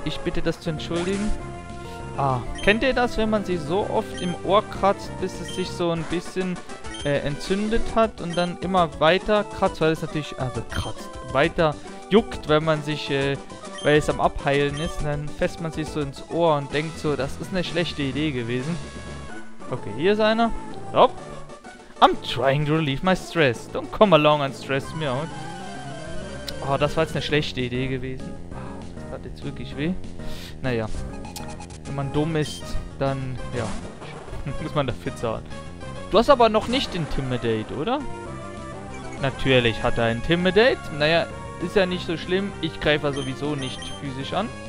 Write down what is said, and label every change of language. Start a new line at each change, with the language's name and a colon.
German: Ich bitte das zu entschuldigen. Ah, kennt ihr das, wenn man sie so oft im Ohr kratzt, bis es sich so ein bisschen entzündet hat und dann immer weiter kratzt, weil es natürlich, also kratzt, weiter juckt, weil man sich, weil es am Abheilen ist, und dann fässt man sich so ins Ohr und denkt so, das ist eine schlechte Idee gewesen. Okay, hier ist einer. Hopp.
English: I'm trying to relieve my stress. Don't come along and stress me out.
German: Oh, das war jetzt eine schlechte Idee gewesen. Das hat jetzt wirklich weh. Naja. Wenn man dumm ist, dann, ja, muss man dafür zahlen. Du hast aber noch nicht Intimidate, oder? Natürlich hat er Intimidate. Naja, ist ja nicht so schlimm. Ich greife sowieso nicht physisch an.